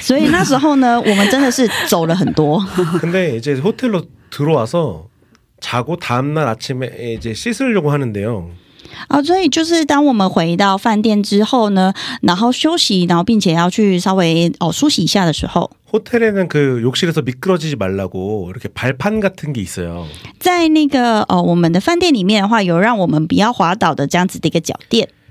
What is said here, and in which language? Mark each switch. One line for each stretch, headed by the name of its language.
Chinese: 所以那时候呢，我们真的是走了很多。
Korean: 근데 이제 호텔로 들어와서 자고 다음 날 아침에 이제 씻으려고 하는데요.
Chinese: 所以就是当我们回到饭店之后呢，然后休息，然后并且要去稍微梳洗一下的时候，
Korean: 호텔에는그욕실에서미끄러지지말라고이렇게발판같은게있어요。
Chinese: 在那个我们的饭店里面的话，有让我们不要滑倒的这样子的一个脚垫。